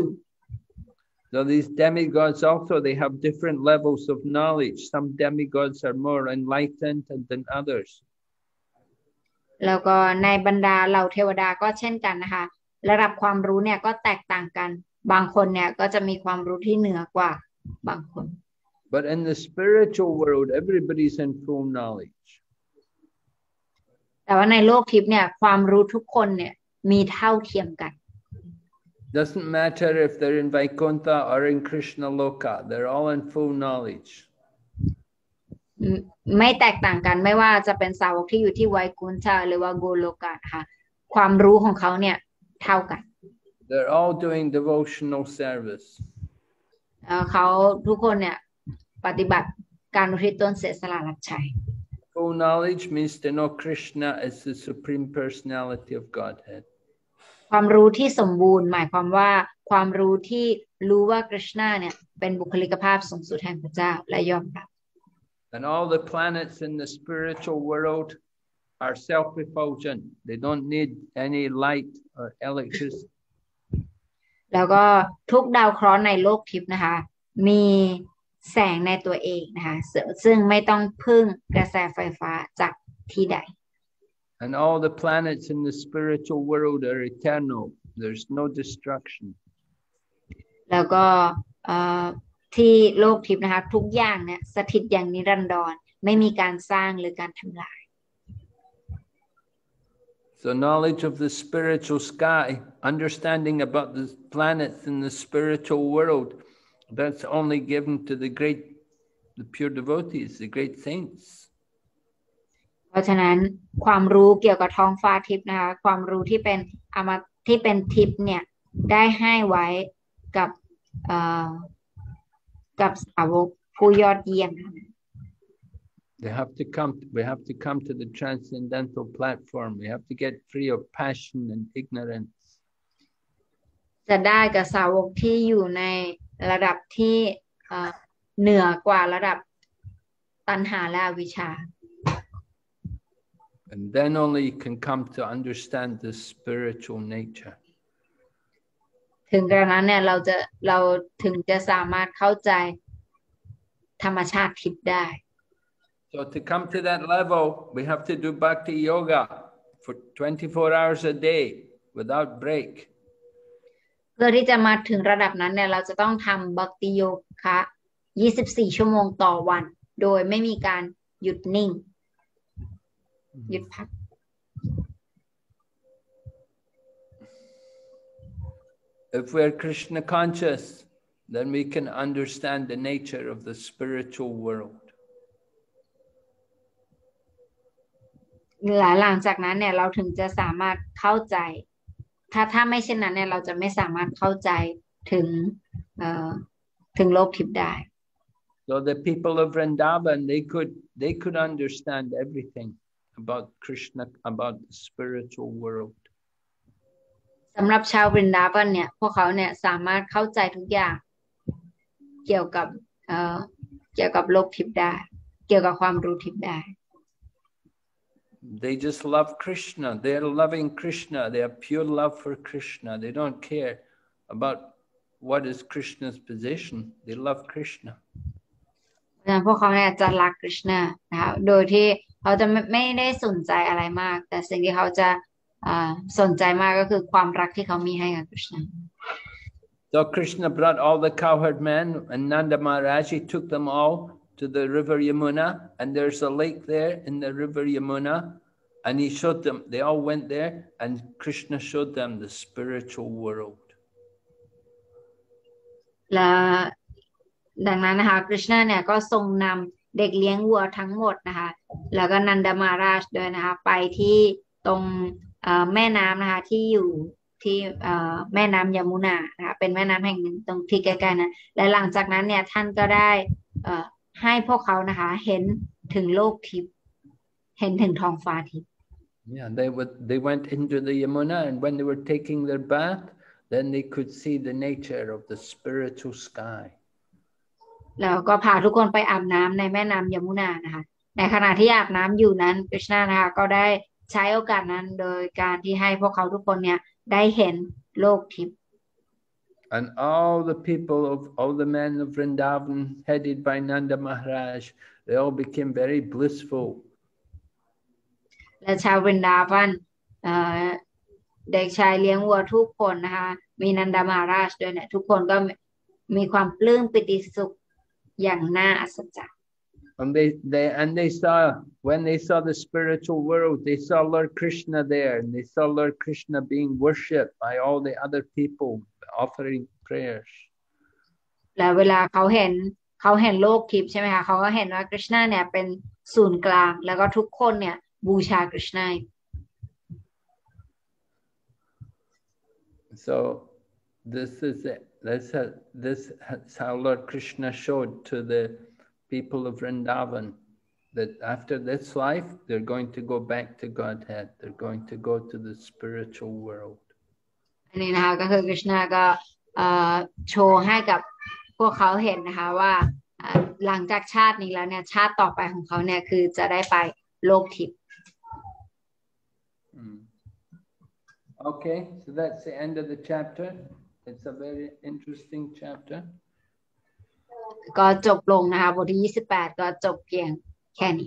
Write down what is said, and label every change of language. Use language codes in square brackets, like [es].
[en] So these demigods also they have different levels of knowledge. Some demigods are more enlightened than others. [th] แล้วก็ในบรรดาเหล่าเทวดาก็เช่นกันนะคะระดับความรู้เนี่ยก็แตกต่างกันบางคนเนี่ยก็จะมีความรู้ที่เหนือกว่าบางคน [en] But in the spiritual world everybody's in full knowledge [th] แต่ว่าในโลกทิพย์เนี่ยความรู้ทุกคนเนี่ยมีเท่าเทียมกัน [en] Doesn't matter if they're in Vaikuntha or in Krishna Loka. They're all in full knowledge. [th] ไม่แตกต่างกันไม่ว่าจะเป็นสาวกที่อยู่ที่ไวกุณฑะหรือว่าโกโลกะค่ะความรู้ของเขาเนี่ยเท่ากัน [en] They're all doing devotional service. [th] เขาทุกคนเนี่ยปฏิบัติการอุทิศตนเสียสละรับใช้ [en] Full knowledge means to know Krishna as the supreme personality of Godhead. [th] ความรู้ที่สมบูรณ์หมายความว่าความรู้ที่รู้ว่าคริชนาเนี่ยเป็นบุคลิกภาพสูงสุดแห่งพระเจ้าและยอมรับ [en] And all the planets in the spiritual world are self-effulgent. They don't need any light or electricity. [th] แล้วก็ทุกดาวเคราะห์ในโลกทิพย์นะคะมีแสงในตัวเองนะคะซึ่งไม่ต้องพึ่งกระแสไฟฟ้าจากที่ใด [en] And all the planets in the spiritual world are eternal. There's no destruction. [th] แล้วก็ที่โลกทิพย์นะคะทุกอย่างเนี่ยสถิตอย่างนิรันดรไม่มีการสร้างหรือการทำลาย [en] So knowledge of the spiritual sky, understanding about the planets in the spiritual world, that's only given to the pure devotees, the great saints. [th] เพราะฉะนั้นความรู้เกี่ยวกับท้องฟ้าทิพย์นะคะความรู้ที่เป็นอมตะที่เป็นทิพย์เนี่ยได้ให้ไว้กับสาวกผู้ยอดเยี่ยม [en] we have to come to the transcendental platform we have to get free of passion and ignorance [th] จะได้กับสาวกที่อยู่ในระดับที่เหนือกว่าระดับตัณหาและอวิชชา [en] and then only you can come to understand the spiritual nature [th] ถึงกระนั้นเนี่ยเราถึงจะสามารถเข้าใจธรรมชาติทิพย์ได้ [en] So to come to that level we have to do bhakti yoga for 24 hours a day without break [th] เพื่อที่จะมาถึงระดับนั้นเนี่ยเราจะต้องทำบักติโยคะ24ชั่วโมงต่อวันโดยไม่มีการหยุดนิ่งหยุดพัก [en] If we are Krishna conscious, then we can understand the nature of the spiritual world. [th] หลังจากนั้นเนี่ยเราถึงจะสามารถเข้าใจถ้าไม่เช่นนั้นเนี่ยเราจะไม่สามารถเข้าใจถึงโลกทิพย์ได้ [en] So the people of Vrindavan they could understand everything about Krishna about the spiritual world. [th] สำหรับชาววินดาวันเนี่ยพวกเขาเนี่ยสามารถเข้าใจทุกอย่างเกี่ยวกับโลกทิพย์ได้เกี่ยวกับความรู้ทิพย์ได้ [en] They just love Krishna. They are loving Krishna. They are pure love for Krishna. They don't care about what is Krishna's position. They love Krishna. [th] พวกเขาเนี่ยจะรักคริชนานะคะโดยที่เขาจะไม่ได้สนใจอะไรมากแต่สิ่งที่เขาจะสนใจมากก็คือความรักที่เขามีให้กับ Krishna [en] So Krishna brought all the cowherd men and Nanda Maharaj he took them all to the river Yamuna and there's a lake there in the river Yamuna and he showed them they all went there and Krishna showed them the spiritual world [th] และดังนั้นนะคะ Krishna เนี่ยก็ทรงนำเด็กเลี้ยงวัวทั้งหมดนะคะแล้วก็ Nanda Maharaj ด้วยนะคะไปที่ตรงแม่น้ำนะคะที่อยู่ที่แม่น้ำยมุนานะคะเป็นแม่น้ำแห่งหนึ่งตรงที่ใกล้ๆนะและหลังจากนั้นเนี่ยท่านก็ได้ให้พวกเขานะคะเห็นถึงโลกทิพย์เห็นถึงท้องฟ้าทิพย์ [en] Yeah they went into the Yamuna and when they were taking their bath then they could see the nature of the spiritual sky [th] แล้วก็พาทุกคนไปอาบน้ำในแม่น้ำยมุนานะคะในขณะที่อาบน้ำอยู่นั้นคริชนานะคะก็ได้ใช้โอกาสนั้นโดยการที่ให้พวกเขาทุกคนเนี่ยได้เห็นโลกทิพย์ [en] And all the people of all the men of Vrindavan headed by Nanda Maharaj they all became very blissful [th] และชาววินดาวันเด็กชายเลี้ยงวัวทุกคนนะคะมีนันดามาราชด้วยเนี่ยทุกคนก็มีความปลื้มปิติสุขอย่างน่าอัศจรรย์ [en] And they saw when they saw the spiritual world, they saw Lord Krishna there, and they saw Lord Krishna being worshipped by all the other people, offering prayers. [th] แล้วเวลาเขาเห็นโลกทิพย์ใช่ไหมคะเขาก็เห็นว่าคริชนาเนี่ยเป็นศูนย์กลางแล้วก็ทุกคนเนี่ยบูชาคริชนา [en] So this is it. This is how Lord Krishna showed to the people of Vrindavan that after this life, they're going to go back to Godhead. They're going to go to the spiritual world. [th] อันนี้นะคะก็คือคริชนาก็โชว์ให้กับพวกเขาเห็นนะคะว่าหลังจากชาตินี้แล้วเนี่ยชาติต่อไปของเขาเนี่ยคือจะได้ไปโลกทิพย์ [en] Okay, so that's the end of the chapter. It's a very interesting chapter. [th] ก็จบลงนะคะบทที่28ก็จบเพียงแค่นี